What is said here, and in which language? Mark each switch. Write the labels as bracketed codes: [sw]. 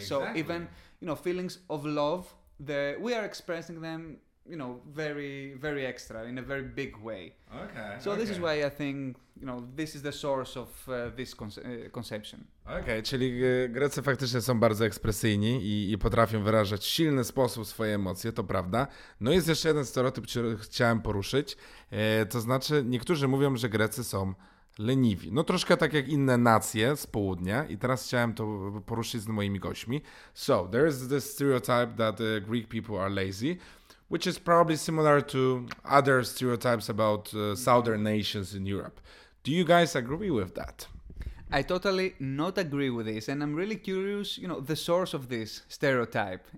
[en] So even, you know, feelings of love, we are expressing them, you know, very, very extra, in a very big way. Okay. So this is why I think, you know, this is the source of this conception. [pl] Okay, czyli Grecy faktycznie są bardzo ekspresyjni i potrafią wyrażać w silny sposób swoje emocje, to prawda. No jest jeszcze jeden stereotyp, który chciałem poruszyć. To znaczy, niektórzy mówią, że Grecy są leniwi. No troszkę tak jak inne nacje z południa i teraz chciałem to poruszyć z moimi gośćmi. [en] So, there is this stereotype that Greek people are lazy, which is probably similar to other stereotypes about southern nations in Europe. Do you guys agree with that? I totally not agree with this, and I'm really curious, you know, the source of this stereotype.